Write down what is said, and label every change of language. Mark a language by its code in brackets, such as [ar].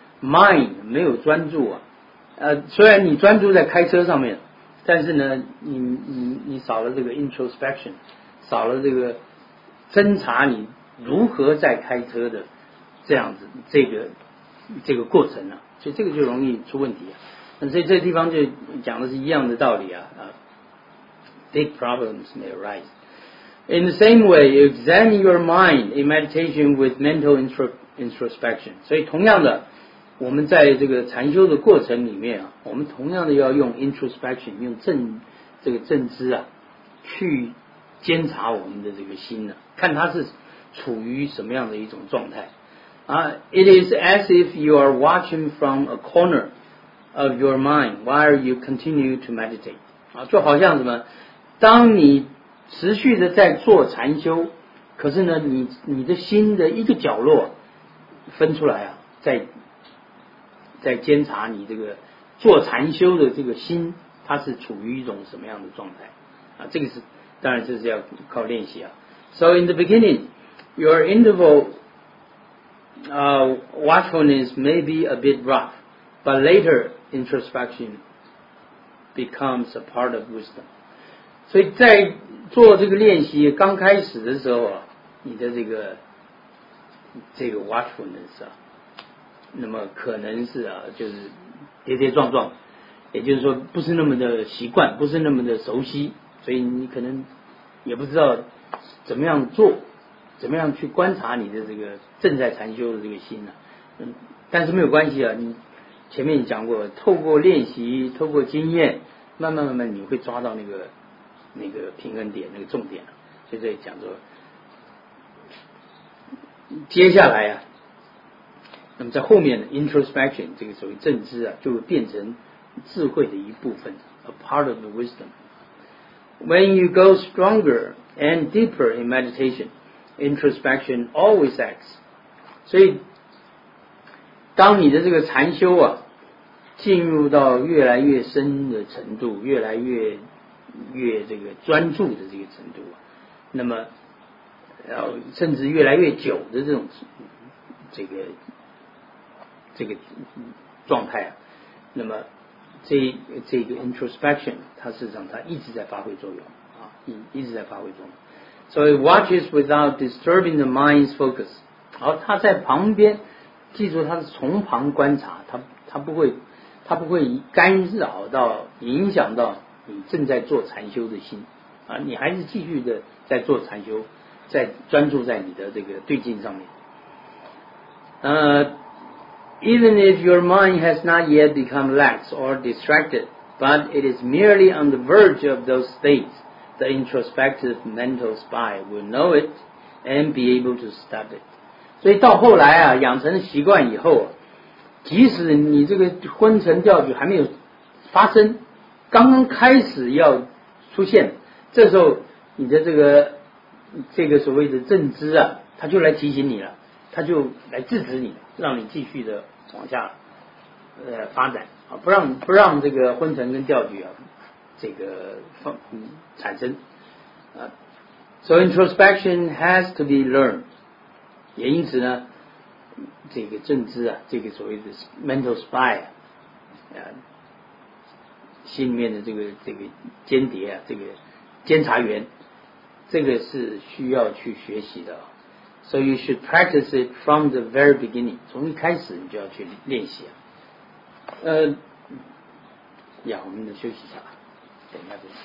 [zh] Mind 没有专注啊，虽然你专注在开车上面，但是呢，你少了这个 introspection， 少了这个侦查你如何在开车的这样子这个过程啊，所以这个就容易出问题啊。那所以这个地方就讲的是一样的道理啊。 [en] Big problems may arise. In the same way, examine your mind in meditation with mental introspection. [zh] 所以同样的，我们在这个禅修的过程里面啊，我们同样的要用 introspection， 用正知啊，去监察我们的这个心呢、啊，看它是处于什么样的一种状态啊。 [en] It is as if you are watching from a corner of your mind while you continue to meditate 啊，就好像什么？ [zh] 当你持续的在做禅修，可是呢，你的心的一个角落分出来啊，在监察你这个做禅修的这个心，它是处于一种什么样的状态啊？这个是当然就是要靠练习啊。 [en] So in the beginning, your interval watchfulness may be a bit rough, but later introspection becomes a part of wisdom. [zh] 所以在做这个练习刚开始的时候啊，你的这个 watchfulness 啊，那么可能是啊，就是跌跌撞撞，也就是说不是那么的习惯，不是那么的熟悉，所以你可能也不知道怎么样做，怎么样去观察你的这个正在禅修的这个心呢、啊？但是没有关系啊，你前面讲过，透过练习，透过经验，慢慢你会抓到那个平衡点，那个重点，所以这里讲说，接下来啊，那么在后面的 introspection 这个所谓正知啊，就会变成智慧的一部分 ， a part of the wisdom. [en] When you go stronger and deeper in meditation, introspection always acts. [zh] 所以，当你的这个禅修啊，进入到越来越深的程度，越这个专注的这个程度、啊、那么然后甚至越来越久的这种这个状态啊，那么这个 introspection 它事实上它一直在发挥作用啊，一直在发挥作用。 [en] So it watches without disturbing the mind's focus. [zh] 好，它在旁边，记住它是从旁观察，它不会干扰到影响到你正在做禅修的心啊，你还是继续的在做禅修，在专注在你的这个对境上面。 [en] Even if your mind has not yet become lax or distracted, but it is merely on the verge of those states, the introspective mental spy will know it and be able to stop it. [zh] 所以到后来啊，养成习惯以后，即使你这个昏沉掉举还没有发生，刚刚开始要出现，这时候你的这个所谓的正知啊，他就来提醒你了，他就来制止你，让你继续的往下发展，不让这个昏沉跟掉举啊这个产生啊。 [en] So introspection has to be learned. [zh] 也因此呢，这个正知啊，这个所谓的 mental spy 啊，心里面的这个间谍啊，这个监察员，这个是需要去学习的。 [en] So you should practice it from the very beginning. [zh] 从一开始你就要去练习啊。我们休息一下吧，等一下再。